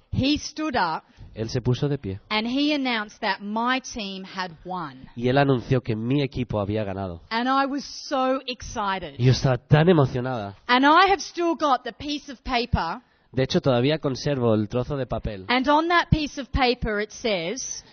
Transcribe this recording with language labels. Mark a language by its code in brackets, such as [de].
[en] He stood up. [es] Él se puso de pie. [en] And he announced that my team had won. [es] Y él anunció que mi equipo había ganado. [en] And I was so excited. [es] Yo estaba tan emocionada. [en] And I have still got the piece of paper. [es] De hecho, todavía conservo el trozo de papel. [en] And on that piece of paper it says.